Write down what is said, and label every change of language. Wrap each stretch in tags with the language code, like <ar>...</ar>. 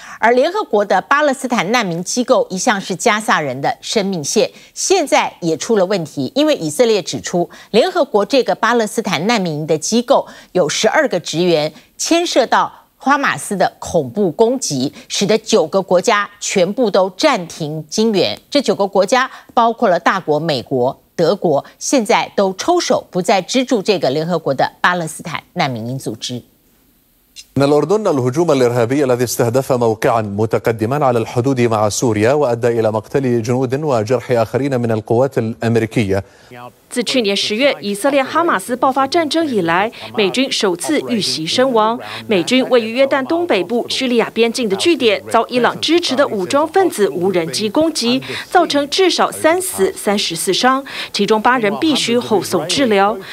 <zh>而联合国的巴勒斯坦难民机构一向是加萨人的生命线，现在也出了问题，因为以色列指出，联合国这个巴勒斯坦难民营的机构有12个职员牵涉到哈马斯的恐怖攻击，使得9个国家全部都暂停金援。这9个国家包括了大国美国、德国，现在都抽手不再资助这个联合国的巴勒斯坦难民营组织。</zh> <ar>من الأردن الهجوم الإرهابي الذي استهدف موقعا متقدما على الحدود مع سوريا وأدى إلى مقتل جنود وجرح آخرين من القوات الأمريكية.</ar> <zh>自去年10月以色列哈马斯爆发战争以来，美军首次遇袭身亡。美军位于约旦东北部叙利亚边境的据点遭伊朗支持的武装分子无人机攻击，造成至少3死34伤，其中8人必须后送治疗。</zh>